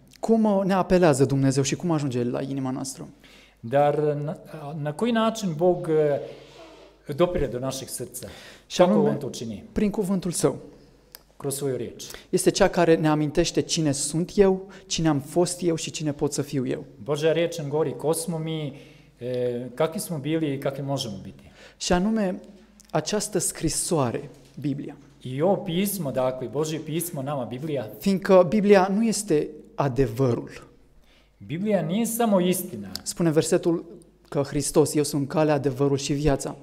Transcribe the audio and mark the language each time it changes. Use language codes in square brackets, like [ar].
[ro] Cum ne apelează Dumnezeu și cum ajunge la inima noastră? [sr] Dar na koji način Bog dopire do našeg srca? Kako on to čini? [ro] Prin cuvântul său. Este cea care ne amintește cine sunt eu, cine am fost eu și cine pot să fiu eu. [sr] Božja reč nam govori ko smo mi, kakvi smo bili i kakvi možemo biti. [ro] Și anume această scrisoare, Biblia. [sr] I ovo pismo, dakle, Božje pismo nama Biblia. [ro] Fiindcă Biblia nu este adevărul. [sr] Biblia nu este samo istina. [ro] Spune versetul că Hristos, eu sunt calea, adevărul și viața.